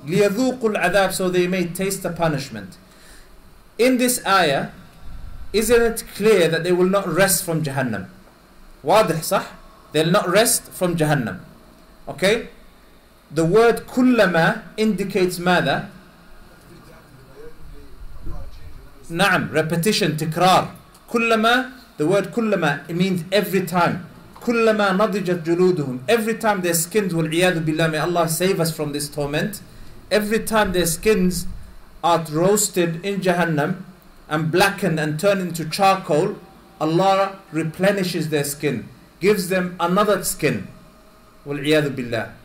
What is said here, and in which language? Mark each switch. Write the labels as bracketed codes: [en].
[ar] لِيَذُوقُوا الْعَذَابِ, [en] so they may taste the punishment. In this ayah, isn't it clear that they will not rest from Jahannam? [ar] وَاضِحْ صَحْ? [en] They'll not rest from Jahannam. Okay? The word كُلَّمَا indicates [ar] ماذا? نعم, [en] repetition, [ar] تكرار. [en] كُلَّمَا, the word kullama, it means every time. Kullama nadijat juluduhum, every time their skins will, iyadu billah, may Allah save us from this torment. Every time their skins are roasted in Jahannam and blackened and turned into charcoal, Allah replenishes their skin, gives them another skin. Wal iyadu billah.